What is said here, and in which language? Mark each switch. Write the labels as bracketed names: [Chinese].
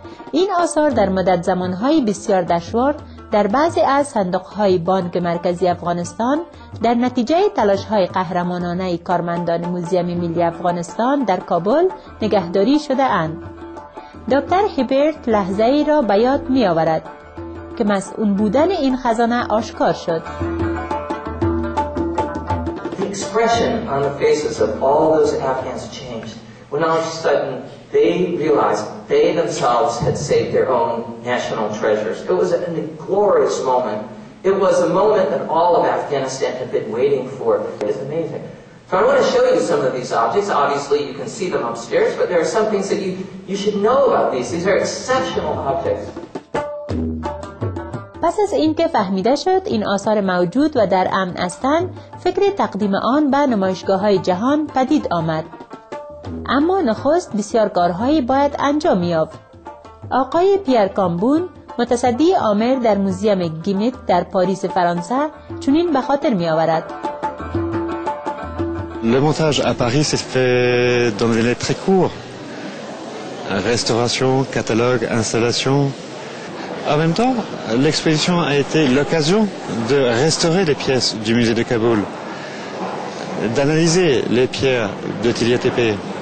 [Persian] این آثار در مدت زمانهای بسیار دشوار در بعضی از صندوقهای بانک مرکزی افغانستان در نتیجه تلاشهای قهرمانانه کارمندان موزیم ملی افغانستان در کابل نگهداری شده اند. دکتر هیبرت لحظه ای را بیاد می آورد که مسئول بودن این خزانه آشکار شد. [English] Expression on the faces of all those Afghans changed when all of a sudden they realized they themselves had saved their own national treasures. It was a glorious moment. It was a moment that all of Afghanistan had been waiting for. It is amazing. So I want to show you some of these objects. Obviously, you can see them upstairs, but there are some things that you should know about these. These are exceptional objects. [Persian] پس از اینکه فهمیده شد این آثار موجود و در امن هستند، فکر تقدیم آن به نمایشگاه‌های جهان پدید آمد. اما نخست بسیار کارهایی باید انجام یافت. آقای پیر کامبون، متصدی عامر در موزیم گیمیت در پاریس فرانسه، چنین به خاطر می‌آورد. [French] Le montage à Paris s'est fait dans des délais très courts. Restauration, catalogue, installation. En même temps, l'exposition a été l'occasion de restaurer les pièces du musée de Kaboul, d'analyser les pierres de Tillya Tepe.